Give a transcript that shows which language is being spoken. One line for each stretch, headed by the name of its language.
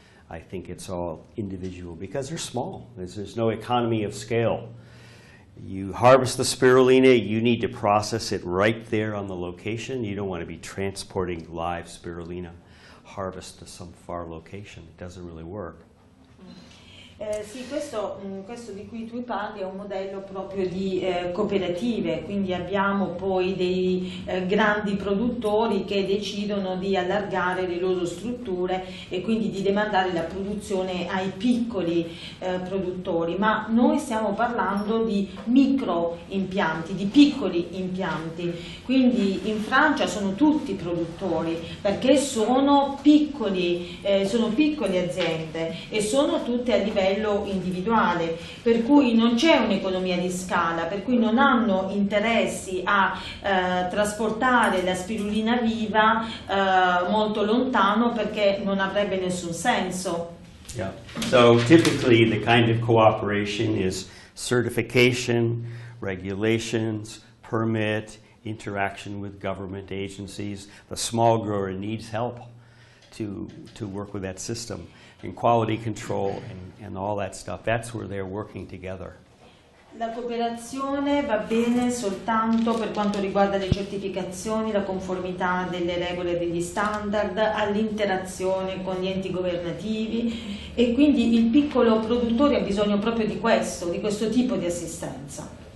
English: I think it's all individual because they're small. There's no economy of scale. You harvest the spirulina, you need to process it right there on the location. You don't want to be transporting live spirulina harvest to some far location. It doesn't really work.
Italian: Sì, questo di cui tu parli è un modello proprio di cooperative, quindi abbiamo poi dei grandi produttori che decidono di allargare le loro strutture e quindi di demandare la produzione ai piccoli produttori, ma noi stiamo parlando di micro impianti, di piccoli impianti, quindi in Francia sono tutti produttori perché sono piccole aziende e sono tutte a livello individuale, per cui non c'è un'economia di scala, per cui non hanno interessi a trasportare la spirulina viva molto lontano perché non avrebbe nessun senso.
English: Yeah. So typically the kind of cooperation is certification, regulations, permit, interaction with government agencies. The small grower needs help to work with that system. And quality control and all that stuff. That's where they're working together.
Italian: La cooperazione va bene soltanto per quanto riguarda le certificazioni, la conformità delle regole e degli standard, all'interazione con gli enti governativi e quindi il piccolo produttore ha bisogno proprio di questo, di questo tipo di assistenza.